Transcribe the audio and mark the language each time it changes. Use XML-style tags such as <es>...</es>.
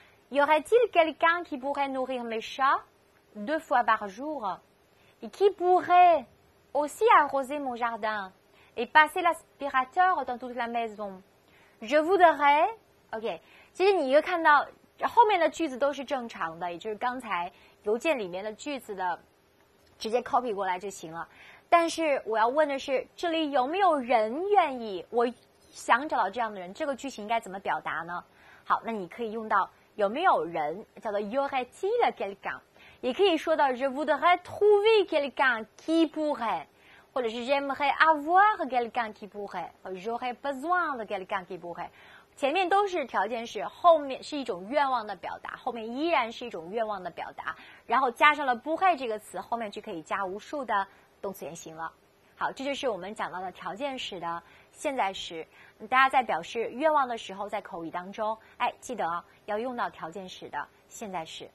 <fr>Y aurait-il quelqu'un qui pourrait nourrir mes chats deux fois par jour? Et qui pourrait aussi arroser mon jardin et passer l'aspirateur dans toute la maison? Je voudrais...</fr> <zh>OK, 其实你一个看到后面的句子都是正常的，也就是刚才邮件里面的句子的直接 copy 过来就行了。但是我要问的是，这里有没有人愿意我想找到这样的人，这个句型应该怎么表达呢？好，那你可以用到有没有人，叫做</zh> <fr>y'aurait-il quelqu'un，</fr> <zh>也可以说到</zh> <fr>je voudrais trouver quelqu'un qui pourrait，</fr> <zh>或者是</zh> <fr>j'aimerais avoir quelqu'un qui pourrait， j'aurais besoin de quelqu'un qui pourrait，</fr> <zh>前面都是条件式，后面是一种愿望的表达，后面依然是一种愿望的表达，然后加上了不会这个词，后面就可以加无数的动词原形了。好，这就是我们讲到的条件式的现在时。大家在表示愿望的时候，在口语当中，记得要用到条件式的现在时。</zh>